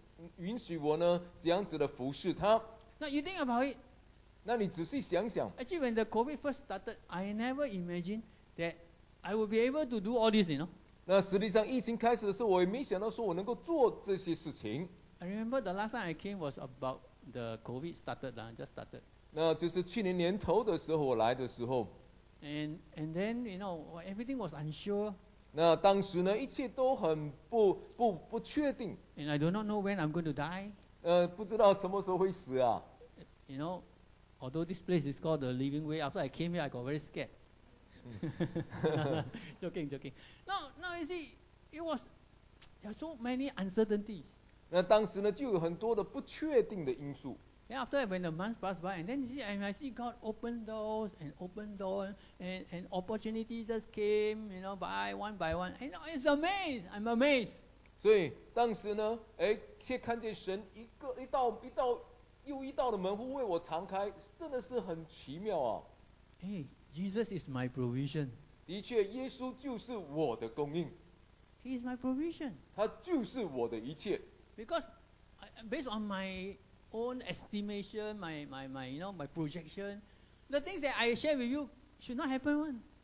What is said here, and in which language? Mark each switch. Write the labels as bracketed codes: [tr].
[zh] 那刚才我提到说，在这疫情当中，神允许我呢这样子的服侍他。 [en] Now you think about it. [zh] 那你仔细想想。 [en] Actually, when the COVID first started, I never imagined that I would be able to do all this, you know. [zh] 那实际上疫情开始的时候，我也没想到说我能够做这些事情。 [en] I remember the last time I came was about the COVID started, just started. [zh] 那就是去年年头的时候我来的时候。 [en] And then, you know, everything was unsure. [zh] 那当时呢，一切都很不确定。 [en] And I do not know when I'm going to die. [zh] 不知道什么时候会死啊。 [en] You know, although this place is called the Living Way, after I came here, I got very scared. joking. Now, you see, there are so many uncertainties. [zh] 那当时呢，就有很多的不确定的因素。 [en] Then after that, when the months passed by, and then you see, and I see God open doors and open doors, and opportunities just came, you know, by one. And you know, it's amazed. I'm amazed. [zh] 所以当时呢，哎，却看见神一个一道又一道的门户为我敞开，真的是很奇妙啊。 [en] Hey, Jesus is my provision. [zh] 的确，耶稣就是我的供应。 [en] He is my provision. [zh] 他就是我的一切。 [en] Because based on my own estimation, my you know, my projection, the things that I share with you should not happen.